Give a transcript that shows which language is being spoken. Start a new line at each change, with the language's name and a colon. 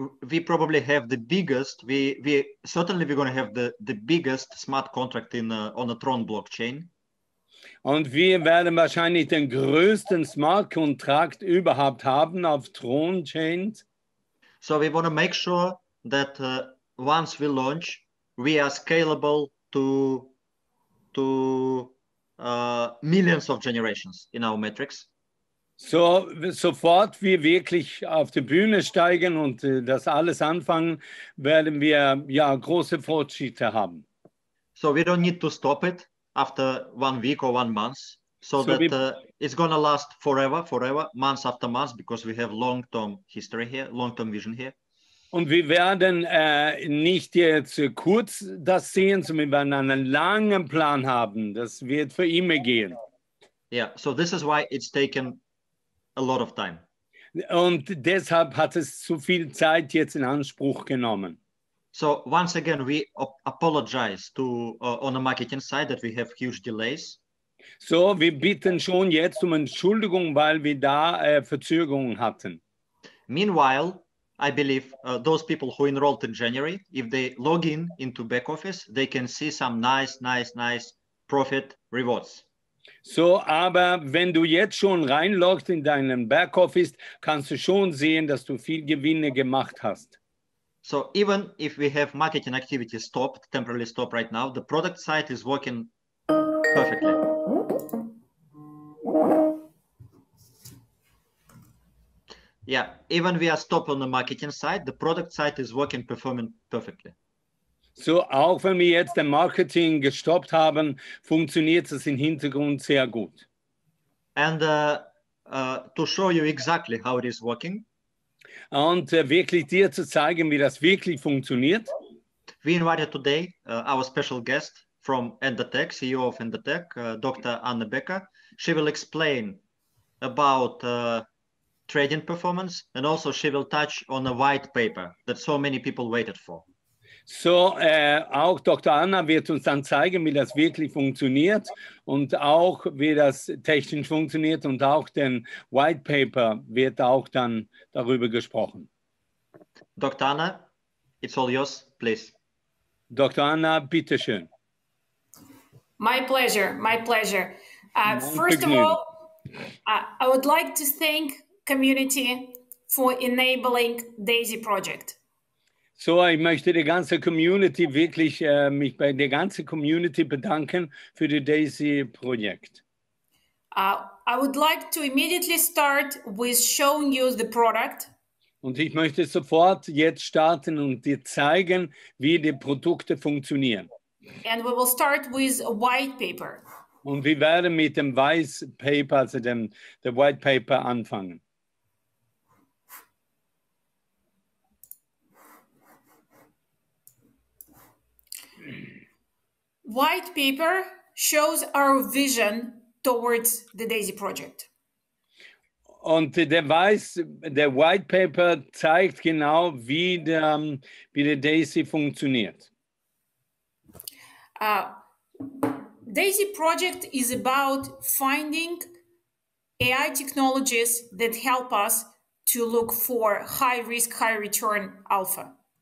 English: We probably have the biggest, we're going to have the biggest smart contract in on the Tron blockchain.
German: Und wir werden wahrscheinlich den größten Smart Contract überhaupt haben auf Tron Chain.
English: So we want to make sure that once we launch, we are scalable to millions of generations in our metrics.
German: So sofort wir wirklich auf die Bühne steigen und das alles anfangen, werden wir ja große Fortschritte haben.
English: So we don't need to stop it after 1 week or 1 month. It's going to last forever, month after month, because we have long-term history here, long-term vision here.
German: Und wir werden nicht jetzt kurz das sehen, sondern wir werden einen langen Plan haben. Das wird für immer gehen.
English: Yeah, so this is why it's taken a lot of time.
German: Und deshalb hat es so viel Zeit jetzt in Anspruch genommen.
English: So once again, we apologize to on the marketing side that we have huge delays.
German: So wir bitten schon jetzt um Entschuldigung, weil wir da Verzögerungen hatten.
English: Meanwhile, I believe those people who enrolled in January, if they log in into back office, they can see some nice profit rewards.
German: So, aber wenn du jetzt schon reinloggst in deinen Backoffice, kannst du schon sehen, dass du viel Gewinne gemacht hast.
English: So, even if we have marketing activity stopped, temporarily stopped right now, the product side is working perfectly. Yeah, even we are stopped on the marketing side, the product side is working, performing perfectly.
German: So, auch wenn wir jetzt den Marketing gestoppt haben, funktioniert es im Hintergrund sehr gut.
English: And to show you exactly how it is working.
German: Und wirklich dir zu zeigen, wie das wirklich funktioniert.
English: We invited today our special guest from ENDOTECH, CEO of ENDOTECH, Dr. Anna Becker. She will explain about trading performance and also she will touch on a white paper that so many people waited for.
German: So, auch Dr. Anna wird uns dann zeigen, wie das wirklich funktioniert und auch wie das technisch funktioniert und auch den White Paper wird auch dann darüber gesprochen.
English: Dr. Anna, it's all yours, please.
German: Dr. Anna, bitteschön.
English: My pleasure. First of all, I would like to thank community for enabling Daisy Project.
German: So, ich möchte die ganze Community wirklich mich bei der ganzen Community bedanken für das DaisyTron-Projekt.
English: I would like to immediately start with showing you the product.
German: Und ich möchte sofort jetzt starten und dir zeigen, wie die Produkte funktionieren.
English: And we will start with a white paper.
German: Und wir werden mit dem White Paper, also dem White Paper, anfangen.
English: White paper shows our vision towards the Daisy project.
German: Und der White Paper zeigt genau, wie der Daisy funktioniert.
English: Daisy project is about finding AI technologies that help us to look for high risk, high return alpha.